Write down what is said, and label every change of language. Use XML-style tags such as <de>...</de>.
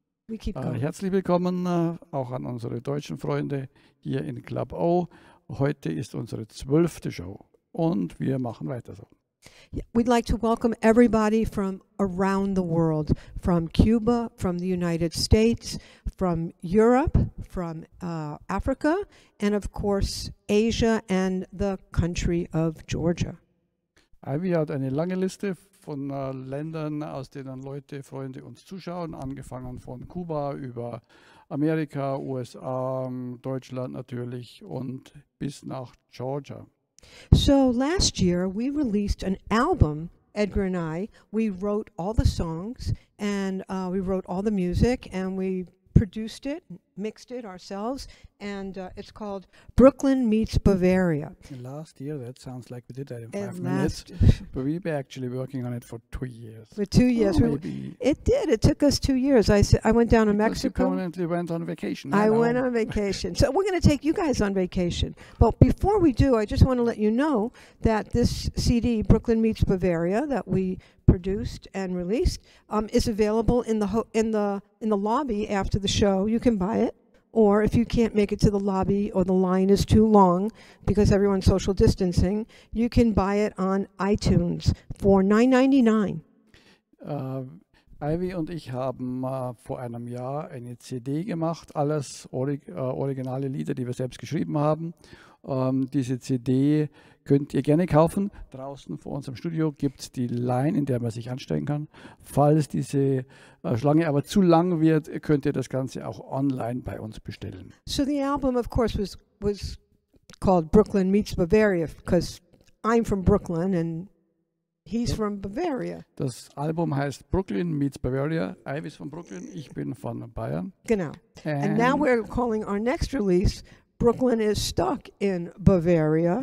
<de>Herzlich willkommen auch an unsere deutschen Freunde hier in Club O. Heute ist unsere 12. Show und wir machen weiter so.</de> <en>We'd like to welcome everybody from around the world, from Cuba, from the United States, from Europe, from Africa, and of course, Asia and the country of Georgia.</en> <de>Ivy hat eine lange Liste von Ländern, aus denen Leute, Freunde uns zuschauen, angefangen von Kuba über Amerika, USA, Deutschland natürlich und bis nach Georgia.</de> <en>So last year we released an album, Edgar and I. We wrote all the songs and we wrote all the music and we produced it, mixed it ourselves, and it's called Brooklyn Meets Bavaria. And last year, that sounds like we did that in five and minutes. But we've been actually working on it for 2 years. For 2 years. Oh, maybe. It did. It took us 2 years. I went down to Mexico. You permanently went on vacation. Went on vacation. So we're going to take you guys on vacation. But before we do, I just want to let you know that this CD, Brooklyn Meets Bavaria, that we produced and released, is available in the lobby after the show. You can buy it, or if you can't make it to the lobby or the line is too long because everyone's social distancing, you can buy it on iTunes for $9.99.</en> <de>Ivy und ich haben vor einem Jahr eine CD gemacht, alles originale Lieder, die wir selbst geschrieben haben. Diese CD könnt ihr gerne kaufen. Draußen vor unserem Studio gibt es die Line, in der man sich anstellen kann. Falls diese Schlange aber zu lang wird, könnt ihr das Ganze auch online bei uns bestellen.</de> <en>So the album of course was called Brooklyn Meets Bavaria, because I'm from Brooklyn and he's from Bavaria.</en> <de>Das Album heißt Brooklyn Meets Bavaria.</de> <en>Ivy's from Brooklyn,</en> <de>ich bin von Bayern. Genau.</de> <en>And now we're calling our next release Brooklyn is stuck in Bavaria.</en>